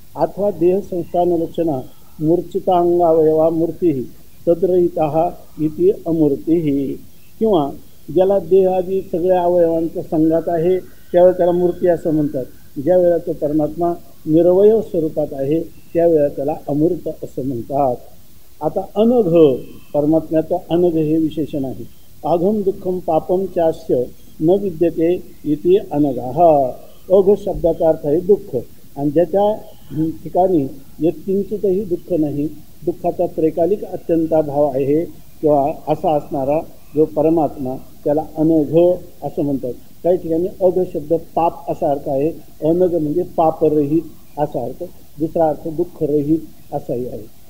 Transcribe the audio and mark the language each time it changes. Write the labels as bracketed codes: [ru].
[sa] अथवा देह संस्थान लक्षणा मूर्चिता अंगावयवा मूर्ती तद्रहिता इति अमूर्ती, [mr] किंवा ज्याला देह आदी सगळ्या अवयवांचा संघात आहे त्यावेळेला त्याला मूर्ती असं म्हणतात। ज्यावेळेला तो परमात्मा निरवयव स्वरूपात आहे त्यावेळेला त्याला अमूर्त असं म्हणतात। आता अनघ, परमात्म्याचं अनघ हे विशेषण आहे। [sa] अघम दुःखम पापम चास्य न विद्यते इति अनघ। [mr] अघ शब्दाचा अर्थ आहे दुःख, आणि ज्याच्या ठिकाणी यत्किंचितही दुःख नाही, दुःखाचा त्रैकालिक अत्यंता भाव आहे किंवा असा असणारा जो परमात्मा त्याला अनघ असं म्हणतात। काही ठिकाणी अघ शब्द पाप असा अर्थ आहे, अनघ म्हणजे पापरहित असा अर्थ, दुसरा अर्थ दुःखरहित असाही आहे।